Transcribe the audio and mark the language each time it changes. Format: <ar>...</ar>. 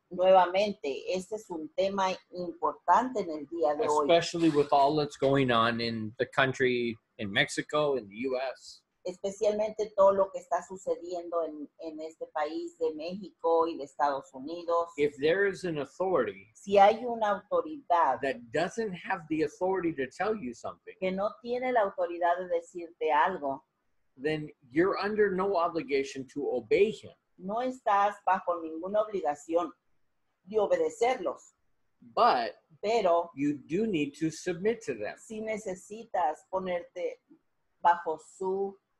<es>Nuevamente, este es un tema importante en el día de hoy.</es> <en>Especially with all that's going on in the country, in Mexico, in the U.S.</en> <es>Especialmente todo lo que está sucediendo en este país de México y de Estados Unidos.</es> <en>If there is an authority,</en> <es>si hay una autoridad,</es> <en>that doesn't have the authority to tell you something,</en> <es>que no tiene la autoridad de decirte algo,</es> <en>then you're under no obligation to obey him.</en> <es>No estás bajo ninguna obligación de obedecerlos.</es> <en>But,</en> <es>pero,</es> <en>you do need to submit to them.</en> <es>Si necesitas ponerte bajo su</es>